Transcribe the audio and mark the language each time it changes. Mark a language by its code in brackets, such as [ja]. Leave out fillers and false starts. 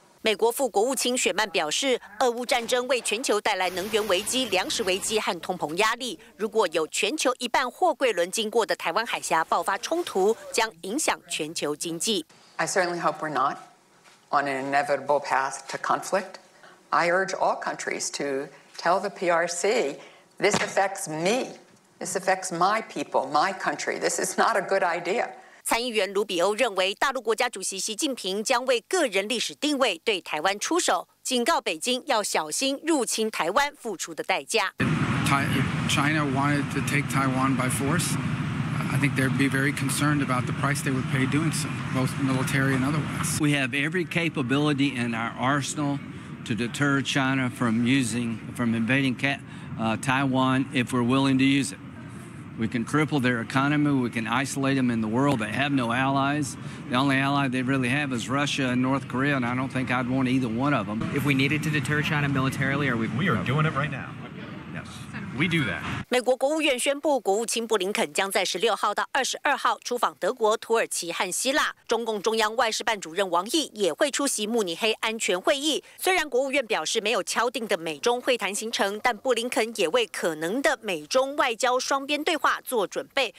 [zh] 美国副国务卿雪曼表示，俄乌战争为全球带来能源危机、粮食危机和通膨压力。如果有全球一半货柜轮经过的台湾海峡爆发冲突，将影响全球经济。 [en] I certainly hope we're not on an inevitable path to conflict. I urge all countries to tell the PRC, this affects me, this affects my people, my country. This is not a good idea. [zh] 参议员卢比欧认为，大陆国家主席习近平将为个人历史定位对台湾出手，警告北京要小心入侵台湾付出的代价。 [en] If China wanted to take Taiwan by force, I think they'd be very concerned about the price they would pay doing so, both military and otherwise. We have every capability in our arsenal to deter China from invading Taiwan if we're willing to use it. We can cripple their economy. We can isolate them in the world. They have no allies. The only ally they really have is Russia and North Korea, and I don't think I'd want either one of them. If we needed to deter China militarily, are we? We are doing it right now. Yes, we do that. [zh] 美国国务院宣布，国务卿布林肯将在16号到22号出访德国、土耳其和希腊。中共中央外事办主任王毅也会出席慕尼黑安全会议。虽然国务院表示没有敲定的美中会谈行程，但布林肯也为可能的美中外交双边对话做准备。